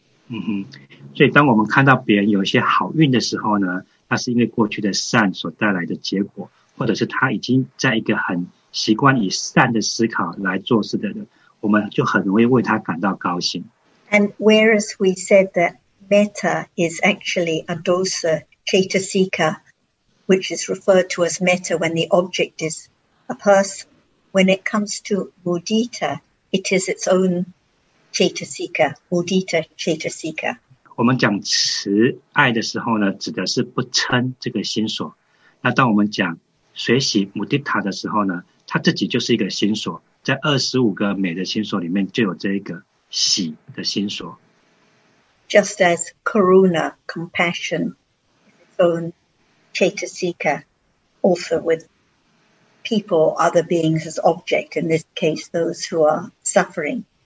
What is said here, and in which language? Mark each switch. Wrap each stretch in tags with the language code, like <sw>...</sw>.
<zh>Mm-hmm. 所以当我们看到别人有一些好运的时候呢, 那是因为过去的善所带来的结果, 或者是他已经在一个很习惯以善的思考来做事的人，我们就很容易为他感到高兴。</zh> <en>And whereas we said that metta is actually a dosa chetasika, which is referred to as metta when the object is a person, when it comes to mudita, it is its own chetasika, mudita chetasika.</en> <zh>我们讲慈爱的时候呢，指的是不嗔这个心所。那当我们讲 学习mudita的时候呢，它自己就是一个心所，在25个美的心所里面就有这一个喜的心所。</zh> <en>Just as karuna, compassion, its own chetasika, also with people, other beings as object, in this case, those who are suffering.</en>